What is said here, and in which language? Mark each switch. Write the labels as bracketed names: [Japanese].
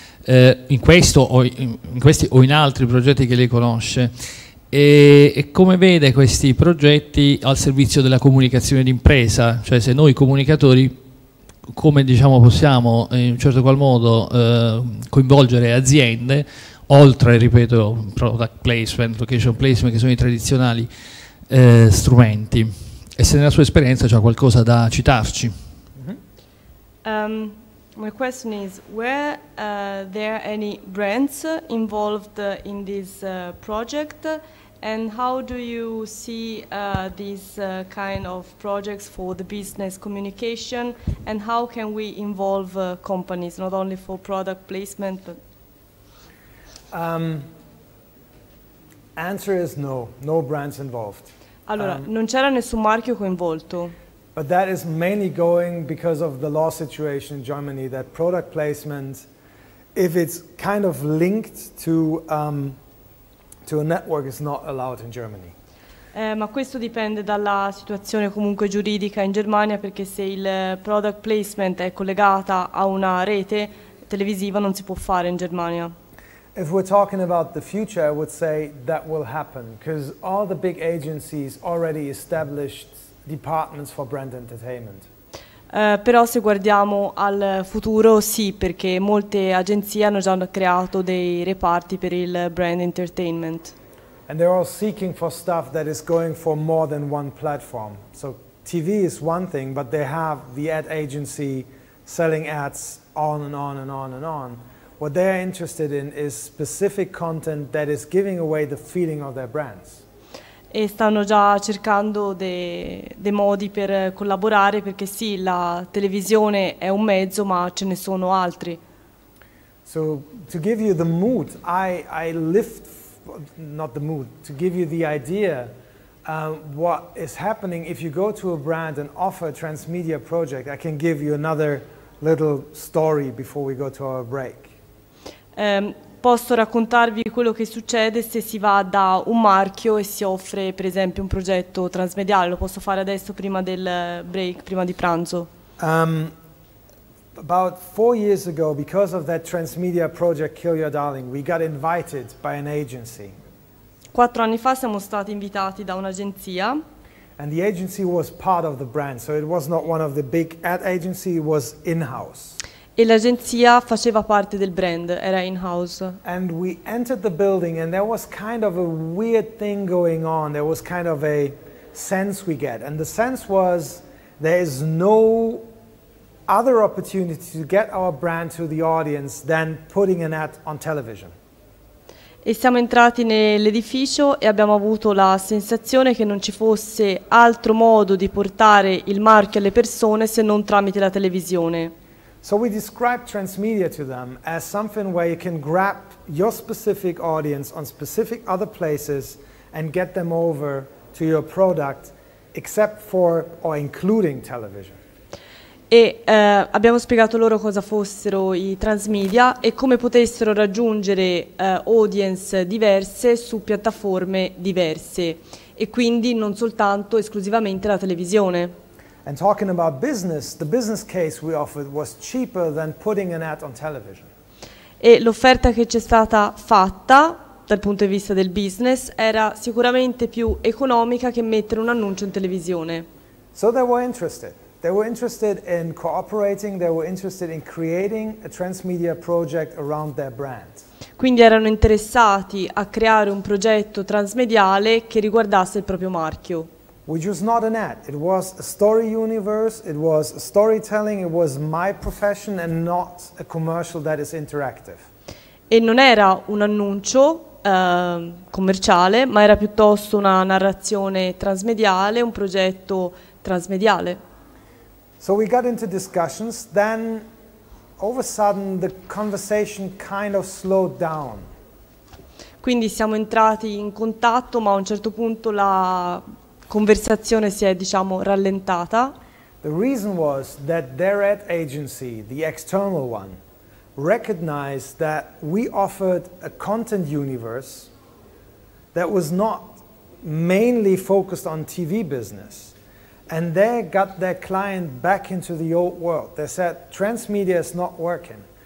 [Italian] in questo o in questi o in altri progetti che lei conosce, e come vede questi progetti al servizio della comunicazione d'impresa, cioè se noi comunicatori come diciamo possiamo in un certo qual modo coinvolgere aziende oltre, ripeto, product placement, location placement, che sono i tradizionali strumenti, e se nella sua esperienza c'è qualcosa da citarci. [English] My question is, were there any brands involved in this project, and how do you see these kind of projects for the business communication, and how can we involve companies, not only for product placement, but Answer is no, no brands involved. [Italian] Allora, non c'era nessun marchio coinvolto. [English] But that is mainly going because of the law situation in Germany, that product placement, if it's kind of linked to a network, is not allowed in Germany. [Italian] Ma questo dipende dalla situazione comunque giuridica in Germania, perché se il product placement è collegata a una rete televisiva non si può fare in Germania. [English] If we're talking about the future, I would say that will happen, because all the big agencies already established departments for brand entertainment. [Italian] Però se guardiamo al futuro, sì, perché molte agenzie hanno già creato dei reparti per il brand entertainment. [English] And they're all seeking for stuff that is going for more than one platform. So TV is one thing, but they have the ad agency selling ads on and on and on and on. What they are interested in is specific content that is giving away the feeling of their brands. [Italian] E stanno già cercando dei modi per collaborare, perché sì, la televisione è un mezzo, ma ce ne sono altri. [English] So to give you the mood, I lift not the mood, to give you the idea what is happening if you go to a brand and offer a transmedia project, I can give you another little story before we go to our break. [Italian] Posso raccontarvi quello che succede se si va da un marchio e si offre, per esempio, un progetto transmediale. Lo posso fare adesso prima del break, prima di pranzo. [English] About 4 years ago, because of that transmedia project Kill Your Darling, we got invited by an agency. [Italian] 4 anni fa siamo stati invitati da un'agenzia. [English] And the agency was part of the brand, so it was not one of the big ad agency, it was in-house. [Italian] E l'agenzia faceva parte del brand, era in-house. [English] And we entered the building and there was kind of a weird thing going on. There was kind of a sense we get. And the sense was, there is no other opportunity to get our brand to the audience than putting an ad on television. [Italian] E siamo entrati nell'edificio e abbiamo avuto la sensazione che non ci fosse altro modo di portare il marchio alle persone se non tramite la televisione. [English] So we described transmedia to them as something where you can grab your specific audience on specific other places and get them over to your product, except for or including television. [Italian] E abbiamo spiegato loro cosa fossero i transmedia e come potessero raggiungere audience diverse su piattaforme diverse, e quindi non soltanto esclusivamente la televisione. [English] And talking about business, the business case we offered was cheaper than putting an ad on television. [Italian] E l'offerta che ci è stata fatta dal punto di vista del business era sicuramente più economica che mettere un annuncio in televisione. [English] So they were interested. They were interested in cooperating, they were interested in creating a transmedia project around their brand. [Italian] Quindi erano interessati a creare un progetto transmediale che riguardasse il proprio marchio. [English] Which was not an ad, it was a story universe, it was storytelling, it was my profession and not a commercial that is interactive. [Italian] E non era un annuncio commerciale, ma era piuttosto una narrazione transmediale, un progetto transmediale. [English] So we got into discussions, then all of a sudden the conversation kind of slowed down. [Italian] Quindi siamo entrati in contatto, ma a un certo punto la conversazione si è, diciamo, rallentata. [English] The reason was that their ad agency, the external one, recognized that we offered a content universe that was not mainly focused on TV business. And they got their client back into the old world. They said, transmedia is not working.